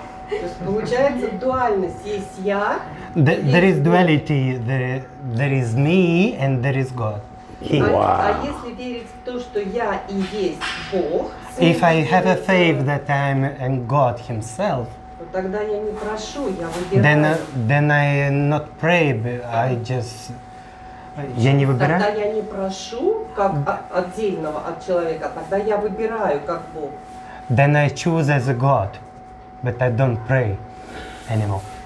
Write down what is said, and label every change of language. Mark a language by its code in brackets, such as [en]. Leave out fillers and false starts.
[ru] То есть получается дуальность, есть я. [en] There is duality. There is me and there is God. He. Wow. [ru] А если верить в то, что я и есть Бог, [en] if I have a faith that I am and God Himself, [ru] тогда я не прошу, я выбираю. [en] Then I not pray, but I just. [ru] Я не выбираю. Тогда я не прошу как отдельного от человека, тогда я выбираю как Бог. [en] Then I choose as a God, but I don't pray anymore.